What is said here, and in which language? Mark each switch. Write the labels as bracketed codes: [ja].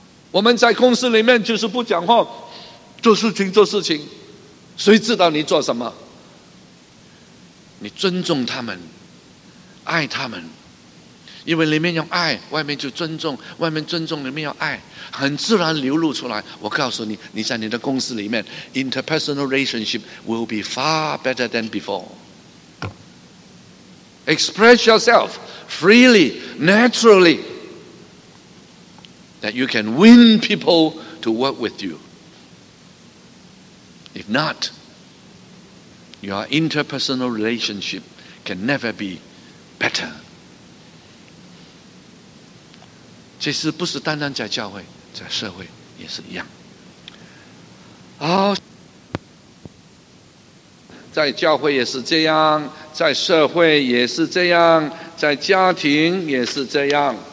[zh] 我们在公司里面就是不讲话，做事情做事情，谁知道你做什么？你尊重他们，爱他们，因为里面有爱，外面就尊重，外面尊重里面有爱，很自然流露出来。我告诉你，你在你的公司里面 [en] interpersonal relationship will be far better than before。 Express yourself freely, naturally, that you can win people to work with you. If not, your interpersonal relationship can never be better. [zh] 其实不是单单在教会，在社会也是一样。在教会也是这样，在社会也是这样，在家庭也是这样。